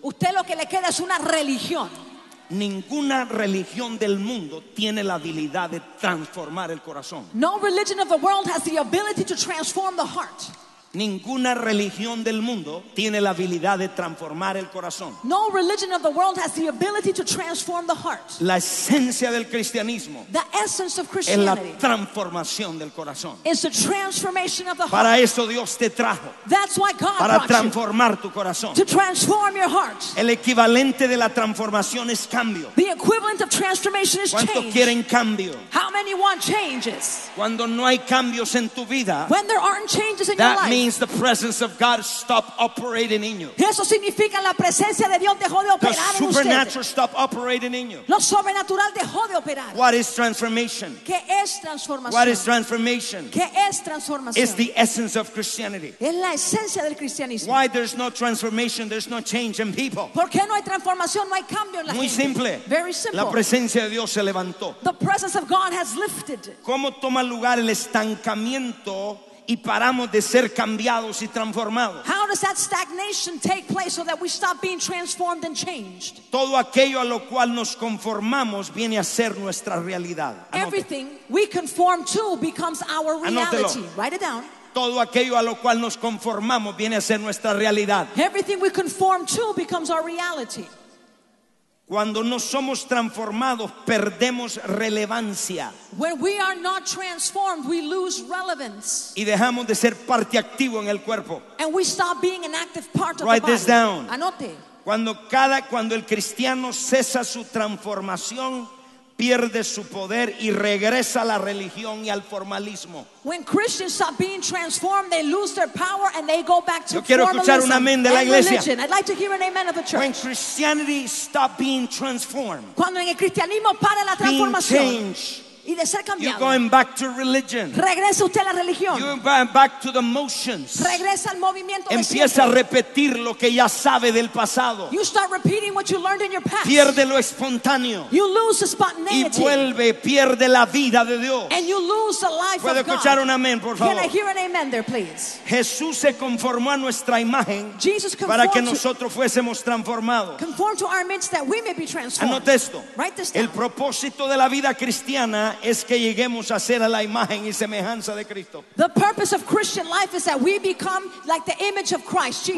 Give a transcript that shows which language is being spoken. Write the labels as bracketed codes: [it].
[es] Usted lo que le queda es una religión. Ninguna religión del mundo tiene la habilidad de transformar el corazón. [en] No religion of the world has the ability to transform the heart. [es] Ninguna religión del mundo tiene la habilidad de transformar el corazón. [en] No religion of the world has the ability to transform the heart. [es] La esencia del cristianismo, [en] the essence of Christianity, [es] es la transformación del corazón. [en] It's the transformation of the heart. [es] Para eso Dios te trajo. [en] That's why God [es] para transformar tu corazón. [en] To transform your heart. [es] El equivalente de la transformación es cambio. [en] The equivalent of transformation is change. [es] ¿Cuántos quieren cambio? [en] How many want changes? [es] Cuando no hay cambios en tu vida, [en] when there aren't changes in your life, means the presence of God stop operating in you. [es] Eso significa la presencia de Dios dejó de operar en usted. [en] The supernatural stop operating in you. [es] Lo sobrenatural dejó de operar. [en] What is transformation? [es] ¿Qué es transformación? [en] What is transformation? [es] ¿Qué es transformación? [en] It's the essence of Christianity. [es] Es la esencia del cristianismo. [en] Why there's no transformation, there's no change in people. [es] ¿Por qué no hay transformación, no hay cambio en la muy gente? Muy simple. [en] Very simple. [es] La presencia de Dios se levantó. [en] The presence of God has lifted. [es] ¿Cómo toma lugar el estancamiento y paramos de ser cambiados y transformados? [en] How does that stagnation take place so that we stop being transformed and changed? [es] Todo aquello a lo cual nos conformamos viene a ser nuestra realidad. Anote. [en] Everything we conform to becomes our reality. [es] Anótelo. [en] Write it down. [es] Todo aquello a lo cual nos conformamos viene a ser nuestra realidad. [en] Everything we conform to becomes our reality. [es] Cuando no somos transformados, perdemos relevancia. [en] When we are not transformed, we lose relevance. [es] Y dejamos de ser parte activo en el cuerpo. [en] And we stop being an active part of the body. Write this down. [es] Anote. Cuando el cristiano cesa su transformación, pierde su poder y regresa a la religión y al formalismo. [en] When Christians stop being transformed, they lose their power and they go back to formalism. [es] Yo quiero escuchar un amén de la iglesia. [en] I'd like to hear an amen of the church. When Christianity stop being transformed, [es] cuando en el cristianismo para la transformación, [en] being changed, [es] y de ser cambiado. [en] You're going back to religion. [es] Regresa usted a la religión. [en] You're going back to the motions. [es] Regresa al movimiento. Empieza a repetir lo que ya sabe del pasado. [en] You start repeating what you learned in your past. [es] Pierde lo espontáneo. [en] You lose the spontaneity. [es] Y vuelve, pierde la vida de Dios. [en] And you lose the life of God. [es] ¿Puede escuchar un amén, por favor? [en] Can I hear an amen there, please? [es] Jesús se conformó a nuestra imagen para que nosotros fuésemos transformados. [en] Conform to our image that we may be transformed. [es] Anote esto. [en] Write this down. [es] El propósito de la vida cristiana es que lleguemos a ser a la imagen y semejanza de Cristo. [en] The purpose of Christian life is that we become like the image of Christ Jesus.